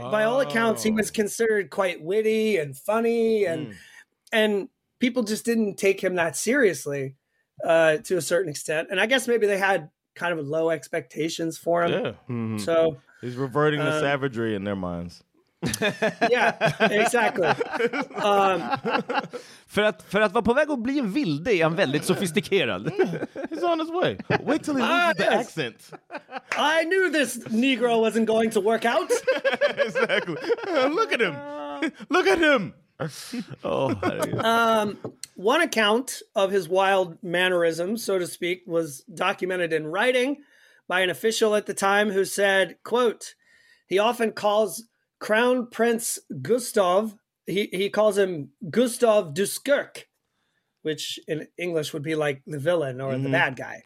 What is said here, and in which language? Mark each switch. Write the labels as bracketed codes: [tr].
[en] Oh. By all accounts, he was considered quite witty and funny, and people just didn't take him that seriously to a certain extent. And I guess maybe they had kind of low expectations for him. Yeah. Mm-hmm. So he's reverting to savagery in their minds. [sv] Ja, exakt. För att vara på väg att bli en vilde är han väldigt sofistikerad. [en] He's on his way. Wait till he loses the accent. I knew this negro wasn't going to work out. Exactly. Look at him. Look at him. One account of his wild mannerism, so to speak, was documented in writing by an official at the time who said, quote, he often calls Crown Prince Gustav, he calls him Gustav Duskirk, which in English would be like the villain or the bad guy.